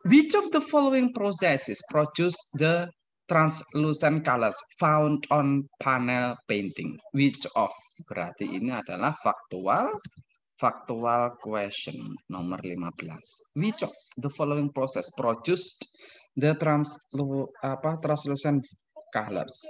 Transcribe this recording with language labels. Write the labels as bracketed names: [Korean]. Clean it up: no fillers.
[English] Which of the following processes produce the translucent colors found on panel painting? Which of? [Indonesian] Berarti ini adalah faktual. [English] Factual question nomor 15. Which of the following process produced the translucent colors?